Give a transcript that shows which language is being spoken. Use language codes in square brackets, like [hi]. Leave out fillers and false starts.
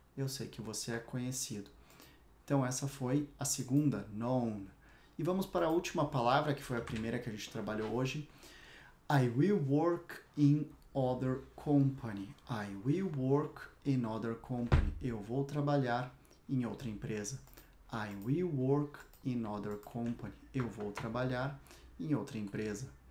[pt] Eu sei que você é conhecido. Então essa foi a segunda, known. E vamos para a última palavra, que foi a primeira que a gente trabalhou hoje. [en] I will work in other company. I will work in other company. [pt] Eu vou trabalhar em outra empresa. [en] I will work in other company. [pt] Eu vou trabalhar em outra empresa.